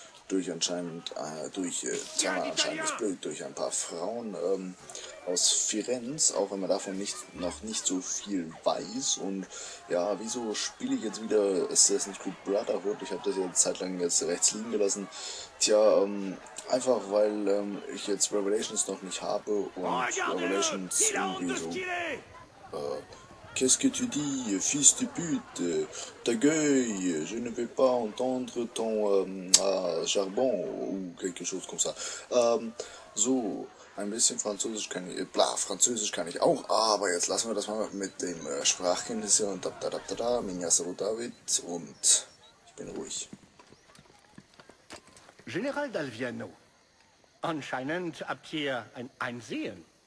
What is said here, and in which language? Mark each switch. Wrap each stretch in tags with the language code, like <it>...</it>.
<de>Sagen wir, anscheinend ist blöd, durch ein paar Frauen aus Firenze, auch wenn man davon noch nicht so viel weiß. Und ja, wieso spiele ich jetzt wieder Assassin's Creed Brotherhood? Ich habe das ja eine Zeit lang jetzt rechts liegen gelassen. Tja, einfach weil ich jetzt Revelations noch nicht habe und Revelations irgendwie so.</de> <fr>Qu'est-ce que tu dis, fils de pute? Ta gueule, je ne veux pas entendre ton charbon ou quelque chose comme ça.</fr> <de>So, ein bisschen Französisch kann ich, Französisch kann ich auch, aber jetzt lassen wir das mal mit dem Sprachkenntnis hier und Minyasaru David und ich bin ruhig. General Dalviano, anscheinend habt ihr ein Einsehen.</de>